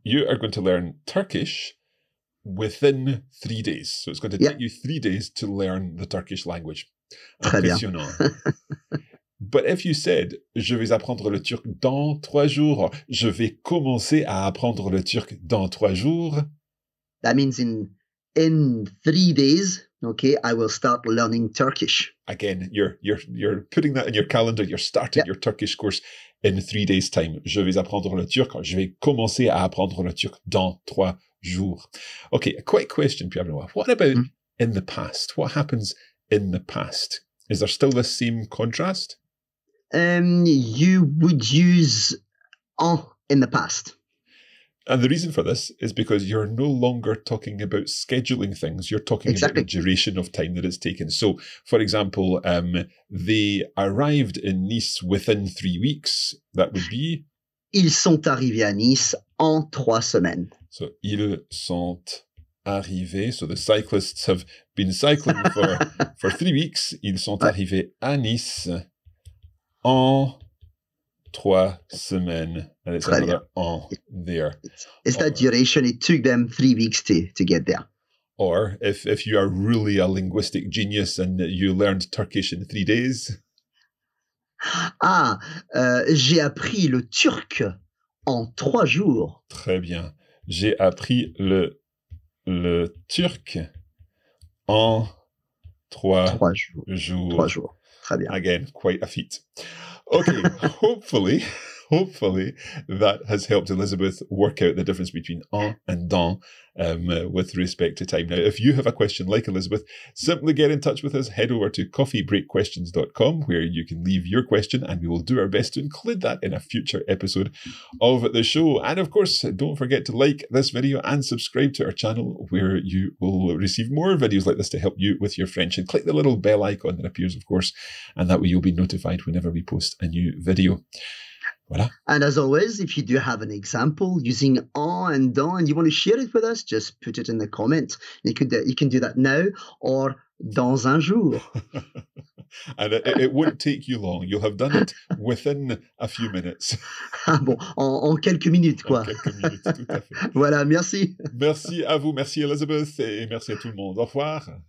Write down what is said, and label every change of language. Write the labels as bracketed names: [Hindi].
[English] You are going to learn Turkish within 3 days. So it's going to take you 3 days to learn the Turkish language. [French] Très impressionnant. Bien. [English] But if you said, [French] je vais apprendre le turc dans 3 jours, je vais commencer à apprendre le turc dans 3 jours. [English] That means in 3 days, okay, I will start learning Turkish. Again, you're putting that in your calendar. You're starting your Turkish course in 3 days' time. [French] Je vais apprendre le turc. Je vais commencer à apprendre le turc dans 3 jours. [English] Okay, a quick question, Pierre-Benoît. What about in the past? What happens in the past? Is there still the same contrast? You would use en in the past. And the reason for this is because you're no longer talking about scheduling things. You're talking exactly. about the duration of time that it's taken. So, for example, they arrived in Nice within 3 weeks. That would be... [French] Ils sont arrivés à Nice en trois semaines. So, ils sont arrivés. [English] So, the cyclists have been cycling for, for 3 weeks. [French] Ils sont arrivés à Nice en... Trois semaines, [English] and it's another en there. It's that duration. It took them 3 weeks to get there. Or if you are really a linguistic genius and you learned Turkish in 3 days. [French] Ah, j'ai appris le turc en trois jours. Très bien. J'ai appris le turc en trois jours. 3 jours. Très bien. [English] Again, quite a feat. Okay, hopefully that has helped Elizabeth work out the difference between en and dans with respect to time. Now, if you have a question like Elizabeth, simply get in touch with us. Head over to coffeebreakquestions.com where you can leave your question and we will do our best to include that in a future episode of the show. And of course, don't forget to like this video and subscribe to our channel where you will receive more videos like this to help you with your French. And click the little bell icon that appears, of course, and that way you'll be notified whenever we post a new video. [French] Voilà. [English] And as always, if you do have an example using en and dans and you want to share it with us, just put it in the comment. You can do that now or [French] dans un jour. [English] And it won't take you long. You'll have done it within a few minutes. [French] Ah bon, en quelques minutes, quoi. En quelques minutes, tout à fait. Voilà, merci. Merci à vous. Merci, Elizabeth. Et merci à tout le monde. Au revoir.